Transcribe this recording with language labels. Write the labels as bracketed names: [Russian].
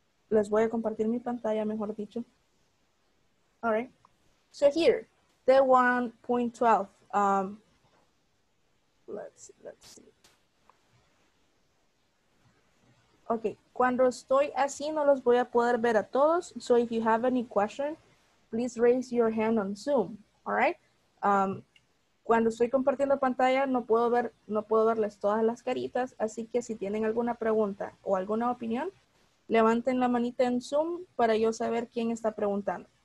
[Spanish] Les voy a compartir mi pantalla, mejor dicho. All right. [English] So, here, the 1.12. Let's see. [Spanish] Okay, cuando estoy así no los voy a poder ver a todos. [English] So if you have any question, please raise your hand on Zoom. All right? [Spanish] Cuando estoy compartiendo pantalla no puedo verles todas las caritas. Así que si tienen alguna pregunta o alguna opinión, levanten la manita en Zoom para yo saber quién está preguntando.